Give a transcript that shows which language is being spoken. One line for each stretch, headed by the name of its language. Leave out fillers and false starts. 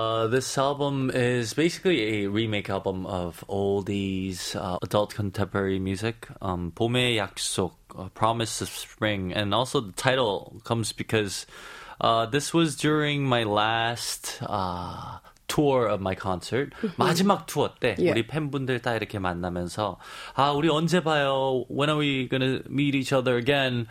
English: This album is basically a remake album of oldies, adult contemporary music, 봄의 약속, Promise of Spring, and also the title comes because this was during my last tour of my concert.
Korean: 마지막 투어 때 우리 팬분들 다 이렇게 만나면서 아 우리 언제 봐요?
English: When are we gonna meet each other again?